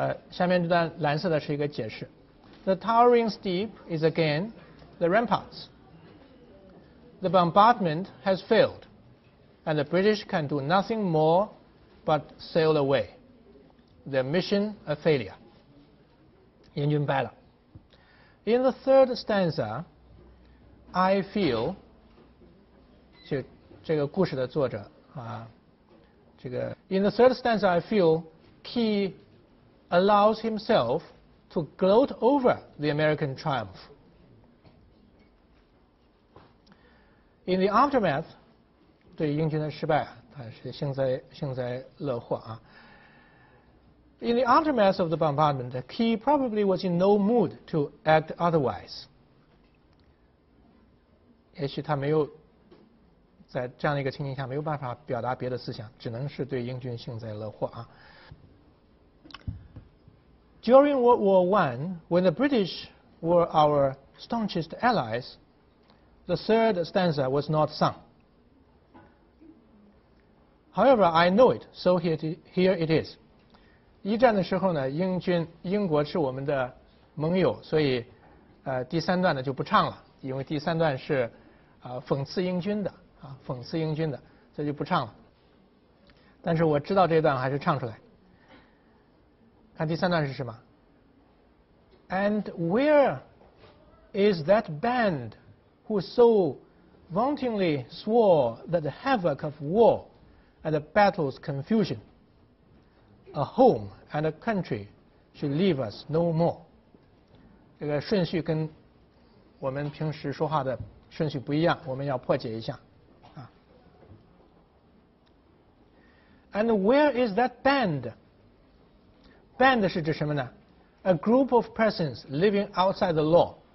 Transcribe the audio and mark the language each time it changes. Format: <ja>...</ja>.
<zh>下面这段蓝色的是一个解释。</zh> <en>The towering steep is again the ramparts. The bombardment has failed, and the British can do nothing more but sail away. Their mission a failure.</en> <zh>研究明白了。</zh> <en>In the third stanza, I feel,</en> <zh>就这个故事的作者啊，这个</zh> <en>In the third stanza, I feel he allows himself to gloat over the American triumph. In the aftermath,</en> <zh>对英军的失败，他是幸灾乐祸啊。</zh> <en>In the aftermath of the bombardment, Key probably was in no mood to act otherwise.</en> <zh>也许他没有在这样的一个情形下没有办法表达别的思想，只能是对英军幸灾乐祸啊。</zh> <en>During World War I, when the British were our staunchest allies, the third stanza was not sung. However, I know it, so here it is.</en> <zh>一战的时候呢，英国是我们的盟友，所以第三段呢就不唱了，因为第三段是讽刺英军的啊，讽刺英军的，所以就不唱了。但是我知道这段还是唱出来。看第三段是什么</zh> <en>？And where is that band who so vauntingly swore that the havoc of war and the battle's confusion? A home and a country should leave us no more.</en> <zh>这个顺序跟我们平时说话的顺序不一样，我们要破解一下啊。</zh> <en>And where is that band? Band</en> <zh>是指什么呢</zh> <en>？A group of persons living outside the law.</en>